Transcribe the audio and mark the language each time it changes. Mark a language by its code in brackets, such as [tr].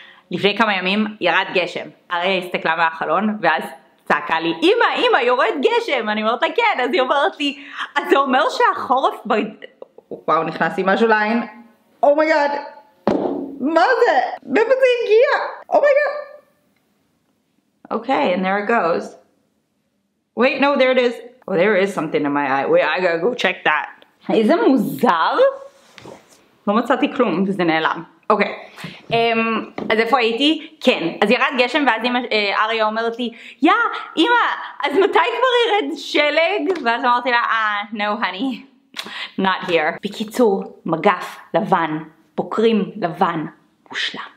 [he] לפני כמה ימים ירד גשם, הרי הסתכלה מהחלון ואז צעקה לי, אמא, אמא, יורד גשם, אני אומרת לה כן, אז היא אומרת לי, אז זה אומר שהחורף ב... וואו, נכנס לי משהו לעין, אומייגאד, מה זה? מאיפה זה הגיע? אומייגאד. [en] אוקיי, and there it goes. Wait, no, there it is. Oh, there is something in my eye. Wait, I gotta go check that. [he] איזה מוזר? לא מצאתי כלום, וזה נעלם. אוקיי, אז איפה הייתי? כן, אז ירד גשם ואז אריה אומרת לי, יא, אמא, אז מתי כבר ירד שלג? ואז אמרתי לה, [en] no honey, not here. [he] בקיצור, מגף לבן, בוקרים לבן, מושלם.